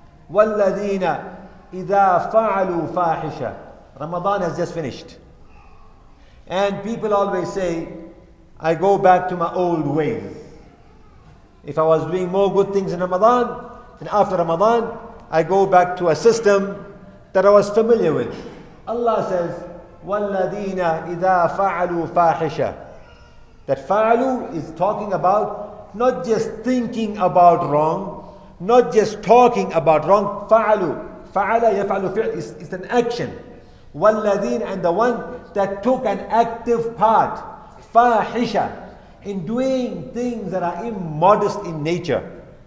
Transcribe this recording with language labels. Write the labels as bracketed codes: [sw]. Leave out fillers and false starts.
[ar] وَالَّذِينَ إِذَا فَعَلُوا فَاحِشَةً. [en] Ramadan has just finished. And people always say, I go back to my old ways. If I was doing more good things in Ramadan, then after Ramadan, I go back to a system that I was familiar with. Allah says, [ar] وَالَّذِينَ إِذَا فَعَلُوا فَاحِشَةً. [en] That fa'alu is talking about not just thinking about wrong, not just talking about wrong. Fa'alu, fa'ala yaf'alu fi'l, is an action. Walladheen, and the one that took an active part. Fa'hisha, in doing things that are immodest in nature.